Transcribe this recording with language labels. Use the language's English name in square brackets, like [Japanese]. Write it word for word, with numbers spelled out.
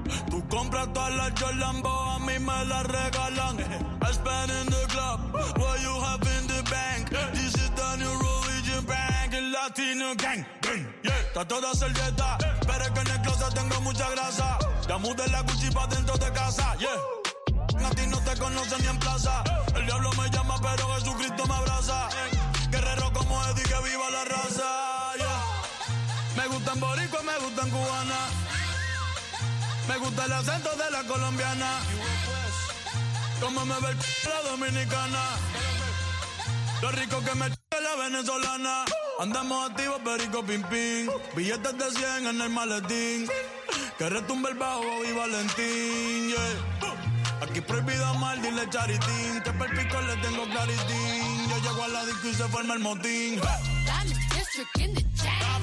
[Spanish] Tú compras todas las Jolambo, a mí me las regalan. [English] I spend in the club, what you have in the bank. This is the new religion bank, [Spanish] el latino [English] gang. Yeah. [Spanish] Está toda servieta, pero es que en el closet tengo mucha grasa. Ya mudé la Gucci pa' dentro de casa. Yeah. A ti no te conocen ni en plaza. El diablo me llama pero Jesucristo me abraza. Guerrero como Eddie, que viva la raza. Me gustan boricua, me gustan cubana. Me gusta el acento de la colombiana. Como me ve el c*** la dominicana. Lo rico que me ch*** la venezolana. Andamos activos, perico, pim, pim. Billetes de cien en el maletín. Que retumbe el bajo y Valentín, yeah. Aquí prohibido mal, dile charitín. Que perpico le tengo claritín. Yo llego a la disco y se forma el motín. [English] Diamond District in the chain.